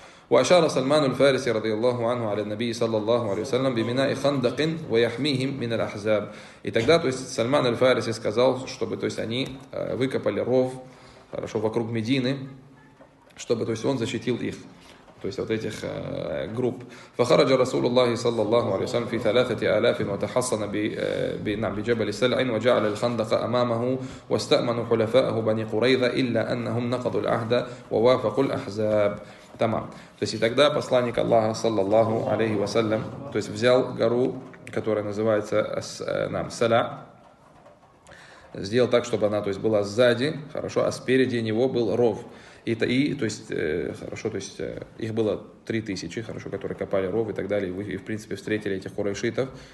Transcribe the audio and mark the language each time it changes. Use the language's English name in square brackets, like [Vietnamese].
[Arabic] وأشار سلمان الفارسي رضي الله عنه على النبي صلى الله عليه وسلم بميناء خندق ويحميهم من الأحزاب. [Russian] И тогда, то есть Сальман аль-Фариси сказал, чтобы, то есть они выкопали ров, хорошо, вокруг Медины, чтобы, то есть, он защитил их. то есть вот этих групп. [Arabic] فخرج رسول الله صلى الله عليه وسلم في 3000 وتحصن بجبل سلع وجعل الخندق أمامه واستأمن حلفائه بني قريظة إلا أنهم نقضوا العهد ووافقوا الأحزاب. Тамам. [Russian] То есть и тогда посланник Аллаха, саллаллаху алейхи вассалям, то есть взял гору, которая называется Саля, сделал так, чтобы она, то есть, была сзади, хорошо, а спереди него был ров. И то есть, хорошо, то есть, их было 3000, хорошо, которые копали ров и так далее, и в принципе встретили этих курайшитов.